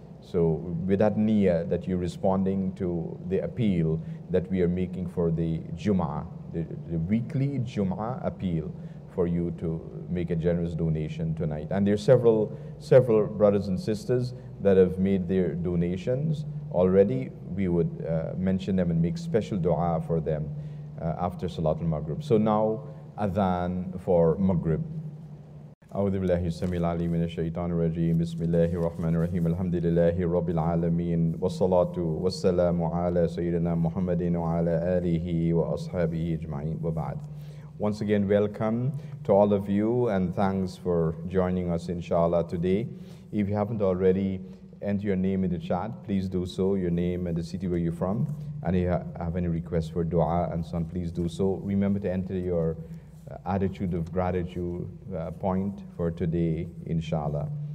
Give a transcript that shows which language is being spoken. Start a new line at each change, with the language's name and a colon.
English: So with that niyyah that you're responding to the appeal that we are making for the Jum'ah, the weekly Jum'ah appeal for you to make a generous donation tonight. And there are several brothers and sisters that have made their donations already. We would mention them and make special dua for them after Salat al-Maghrib. So now, adhan for Maghrib.
Arabic: أعوذ بالله السميع العليم من الشيطان الرجيم بسم الله الرحمن الرحيم الحمد لله رب العالمين والصلاة والسلام على سيدنا محمد وعلى آله وأصحابه أجمعين وبعد.
English: Once again, welcome to all of you and thanks for joining us inshallah today. If you haven't already, enter your name in the chat. Please do so, your name and the city where you're from. And if you have any requests for dua and so on, please do so. Remember to enter your attitude of gratitude point for today, inshallah.